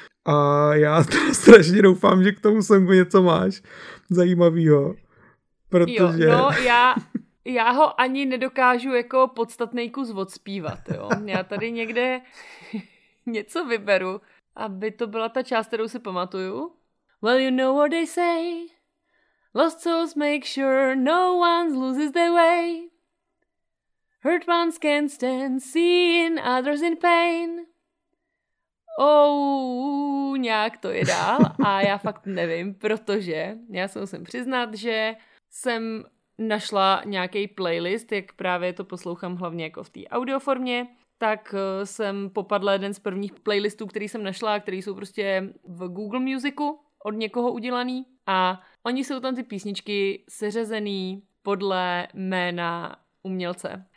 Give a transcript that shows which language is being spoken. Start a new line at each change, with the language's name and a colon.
Czech: A já strašně doufám, že k tomu songu něco máš zajímavého. Protože... Jo, no, já ho ani nedokážu jako podstatný kus odspívat. Jo? Já tady někde něco vyberu, aby to byla ta část, kterou si pamatuju.
English: Well, you know what they say. Lost souls make sure no one loses their way. Hurt ones can't stand seeing others in pain.
Czech: Oh, nějak to je dál a já fakt nevím, protože já se musím přiznat, že jsem našla nějaký playlist, jak právě to poslouchám hlavně jako v té audioformě. Tak jsem popadla jeden z prvních playlistů, který jsem našla, který jsou prostě v Google Musicu od někoho udělaný a oni jsou tam ty písničky seřazený podle jména umělce.